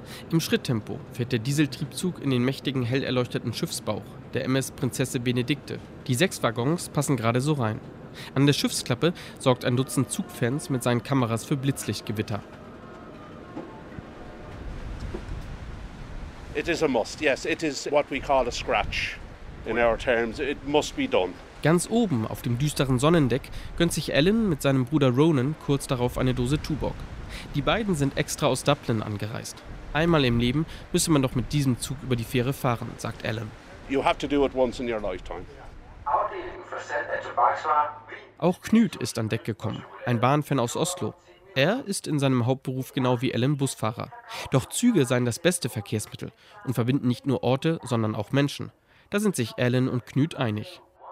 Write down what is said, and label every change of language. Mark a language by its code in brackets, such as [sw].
[de] Im Schritttempo fährt der Dieseltriebzug in den mächtigen, hell erleuchteten Schiffsbauch der MS Prinzessin Benedikte. Die 6 Waggons passen gerade so rein. An der Schiffsklappe sorgt ein Dutzend Zugfans mit seinen Kameras für Blitzlichtgewitter. [en] It is a must, yes. It is what we call a scratch in our terms. It must be done. [de] Ganz oben auf dem düsteren Sonnendeck gönnt sich Alan mit seinem Bruder Ronan kurz darauf eine Dose Tuborg. Die beiden sind extra aus Dublin angereist. Einmal im Leben müsse man doch mit diesem Zug über die Fähre fahren, sagt Alan. [en] You have to do it once in your lifetime. [de] Auch Knut ist an Deck gekommen, ein Bahnfan aus Oslo. Er ist in seinem Hauptberuf genau wie Alan Busfahrer. Doch Züge seien das beste Verkehrsmittel und verbinden nicht nur Orte, sondern auch Menschen. Da sind sich Alan und Knut einig.